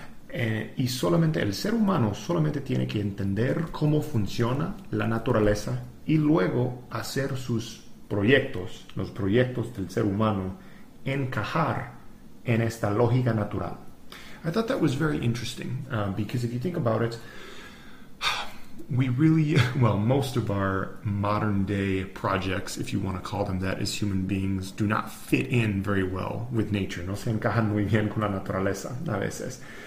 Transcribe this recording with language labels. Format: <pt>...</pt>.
<es>Y solamente el ser humano solamente tiene que entender cómo funciona la naturaleza y luego hacer sus proyectos, los proyectos del ser humano, encajar en esta lógica natural.</es> <en>I thought that was very interesting because if you think about it, most of our modern day projects, if you want to call them that, as human beings, do not fit in very well with nature.</en> <es>No se encajan muy bien con la naturaleza a veces.</es>